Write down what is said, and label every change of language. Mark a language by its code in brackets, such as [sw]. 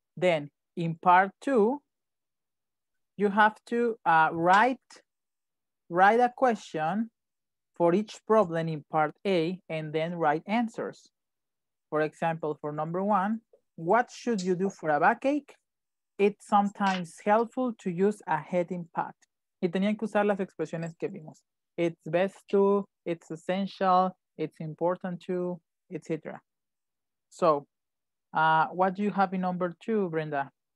[en] Then in part two, you have to write a question for each problem in part A and then write answers. For example, for number one, what should you do for a backache? It's sometimes helpful to use a heating pad. [es] Y tenían que usar las expresiones que vimos. [en] It's best to, it's essential, it's important to, etc. So, what do you have in number two, Brenda?